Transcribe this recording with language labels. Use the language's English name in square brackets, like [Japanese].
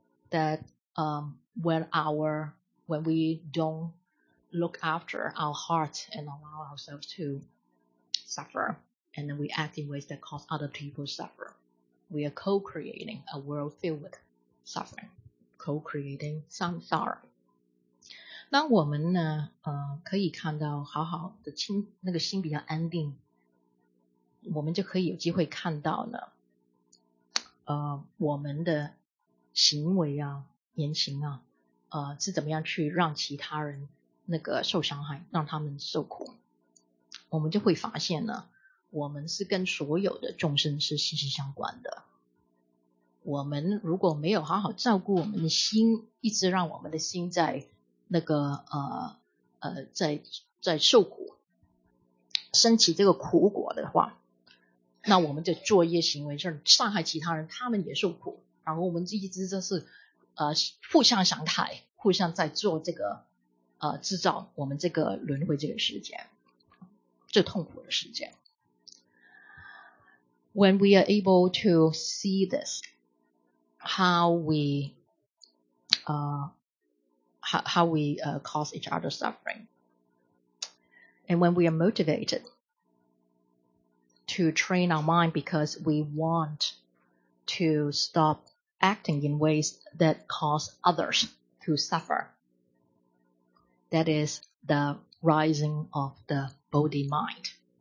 [English] That when we don't look after our heart and allow ourselves to suffer, and then we act in ways that cause other people to suffer, we are co-creating a world filled with suffering, co-creating samsara. [Chinese] 当我们呢可以看到好好的那个心比较安定，我们就可以有机会看到呢我们的行为啊言行啊是怎么样去让其他人那个受伤害，让他们受苦。我们就会发现呢，我们是跟所有的众生是息息相关的。我们如果没有好好照顾我们的心，一直让我们的心在那个在受苦升起这个苦果的话，那我们就作业行为就伤害其他人，他们也受苦，然后我们一直就是互相伤害，互相在做这个制造我们这个轮回这个时间最痛苦的时间。 [English] When we are able to see this, how we cause each other suffering. And when we are motivated to train our mind because we want to stop acting in ways that cause others to suffer, that is the rising of the Bodhi mind.